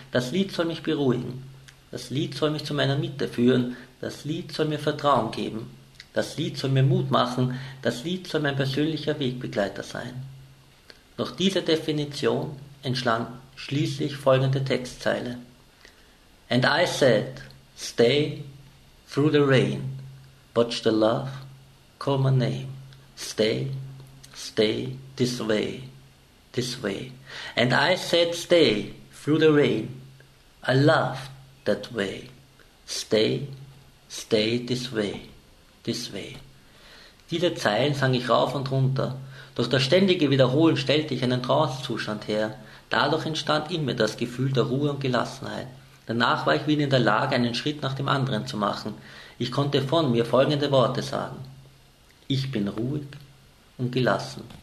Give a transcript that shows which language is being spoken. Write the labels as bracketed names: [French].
[German] Das Lied soll mich beruhigen. Das Lied soll mich zu meiner Mitte führen. Das Lied soll mir Vertrauen geben. Das Lied soll mir Mut machen, das Lied soll mein persönlicher Wegbegleiter sein. Nach dieser Definition entstand schließlich folgende Textzeile. [English] And I said, stay through the rain, watch the love, call my name, stay, stay this way, this way. And I said, stay through the rain, I love that way, stay, stay this way. This way. [German] Diese Zeilen sang ich rauf und runter. Durch das ständige Wiederholen stellte ich einen Trancezustand her. Dadurch entstand in mir das Gefühl der Ruhe und Gelassenheit. Danach war ich wieder in der Lage, einen Schritt nach dem anderen zu machen. Ich konnte von mir folgende Worte sagen. Ich bin ruhig und gelassen.